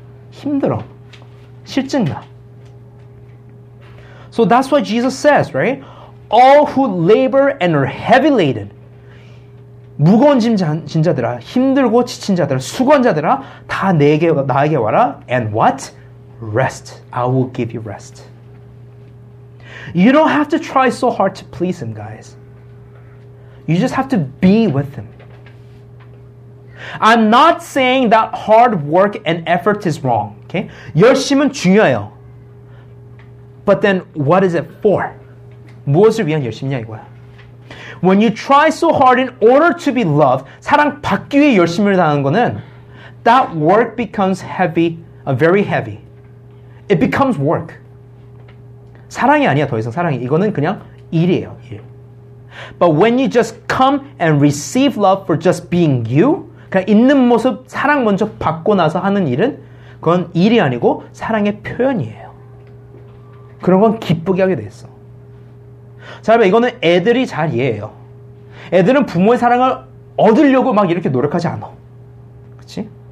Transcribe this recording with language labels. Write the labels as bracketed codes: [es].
[ko] 힘들어. 실증나. [en] So that's what Jesus says, right? All who labor and are heavy laden, [ko] 무거운 짐진 자들아, 힘들고 지친 자들아, 수고한 자들아, 다 나에게 와라. [en] And what? Rest. I will give you rest. You don't have to try so hard to please Him, guys. You just have to be with Him. I'm not saying that hard work and effort is wrong, okay? [ko] 열심은 중요해요. [en] But then, what is it for? [ko] 무엇을 위한 열심이냐 이거야. [en] When you try so hard in order to be loved, [ko] 사랑받기 위해 열심을 다하는 거는, [en] that work becomes heavy, very heavy. It becomes work. [ko] 사랑이 아니야, 더 이상 사랑이. 이거는 그냥 일이에요, 일. [en] But when you just come and receive love for just being you, [ko] 그냥 있는 모습 사랑 먼저 받고 나서 하는 일은 그건 일이 아니고 사랑의 표현이에요. 그런 건 기쁘게 하게 돼 있어. 자, 여러분 이거는 애들이 잘 이해해요. 애들은 부모의 사랑을 얻으려고 막 이렇게 노력하지 않아. 그치?